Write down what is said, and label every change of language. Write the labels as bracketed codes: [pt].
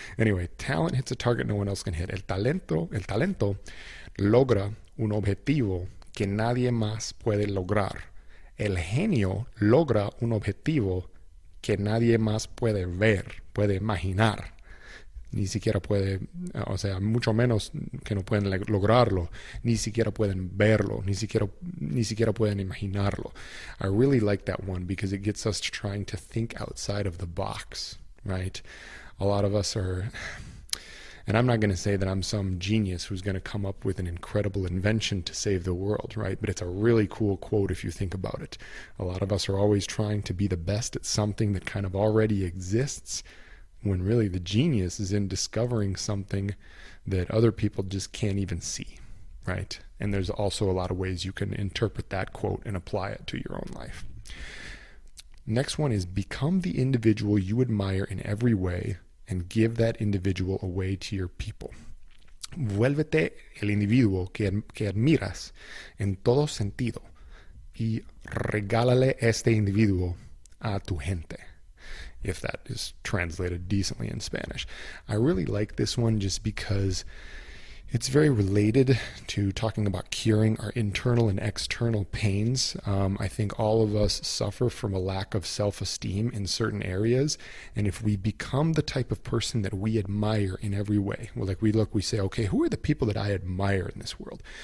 [en] Anyway, talent hits a target no one else can hit. [es] El talento logra un objetivo que nadie más puede lograr. El genio logra un objetivo que nadie más puede ver, puede imaginar. Ni siquiera puede, o sea, mucho menos que no pueden lograrlo. Ni siquiera pueden verlo. Ni siquiera pueden imaginarlo. [en] I really like that one because it gets us trying to think outside of the box, right? A lot of us are... And I'm not going to say that I'm some genius who's going to come up with an incredible invention to save the world, right? But it's a really cool quote if you think about it. A lot of us are always trying to be the best at something that kind of already exists, when really the genius is in discovering something that other people just can't even see, right? And there's also a lot of ways you can interpret that quote and apply it to your own life. Next one is become the individual you admire in every way, and give that individual away to your people. [es] Vuélvete el individuo que admiras en todo sentido y regálale este individuo a tu gente. [en] If that is translated decently in Spanish. I really like this one just because it's very related to talking about curing our internal and external pains. I think all of us suffer from a lack of self-esteem in certain areas. And if we become the type of person that we admire in every way, well, like we look, we say, okay, who are the people that I admire in this world?